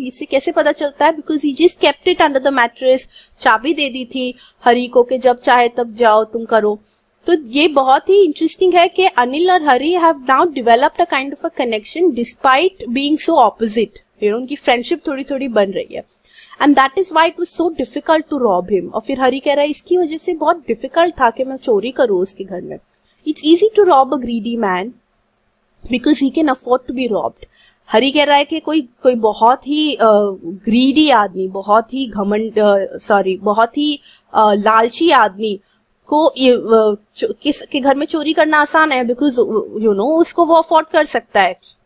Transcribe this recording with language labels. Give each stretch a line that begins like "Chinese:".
Hindi: इससे कैसे पता चलता है,
English: Because he just kept it under the mattress.
Hindi: चाबी दे दी थी हरी को कि जब चाहे तब जाओ तुम करो. तो ये बहुत ही इंटरेस्टिंग है कि अनिल और हरी
English: Have now developed a kind of a connection despite being so opposite.
Hindi: उनकी फ्रेंडशिप थोड़ी थोड़ी बन रही है.
English: And that is why it was so difficult to rob him.
Hindi: और फिर हरी कह रहा है इसकी वजह से बहुत difficult था कि मैं चोरी करूँ उसके घर में.
English: It's easy to rob a greedy man because he can afford to be robbed.
Hindi: हरी कह रहा है कि कोई कोई बहुत ही greedy आदमी, बहुत ही घमंड बहुत ही लालची आदमी को किस के घर में चोरी करना आसान है,
English: because you know
Hindi: उसको वो अफोर्ड कर सकता है.